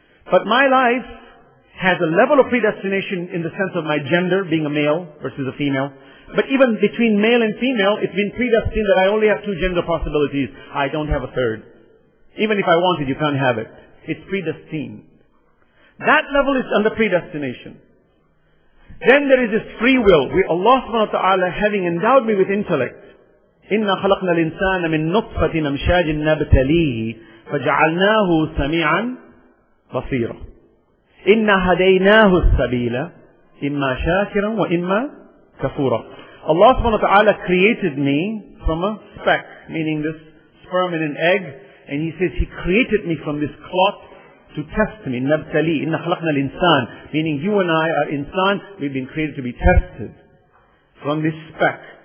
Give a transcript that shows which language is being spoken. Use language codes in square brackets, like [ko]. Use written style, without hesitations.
[en] But my life has a level of predestination in the sense of my gender, being a male versus a female. But even between male and female, it's been predestined that I only have two gender possibilities. I don't have a third. Even if I want it, you can't have it. It's predestined. That level is under predestination. Then there is this free will. [ar] Allah subhanahu wa ta'ala, [en] having endowed me with intellect, [ar] إِنَّا خَلَقْنَا الْإِنسَانَ مِنْ نُطْفَةٍ أَمْشَاجٍ نَبْتَلِيهِ فَجَعَلْنَاهُ سَمِيعًا بَصِيرًا إِنَّا هَدَيْنَاهُ السَّبِيلَ إِمَّا شَاكِرًا وَإِمَّا كَفُورًا. [en] Allah subhanahu wa ta'ala created me from a speck, meaning this sperm and an egg, and He says He created me from this clot to test me. [ar] نَبْتَلِي إِنَّا خَلَقْنَا الْإِنسَانَ, [en] meaning you and I are insan, we've been created to be tested from this speck.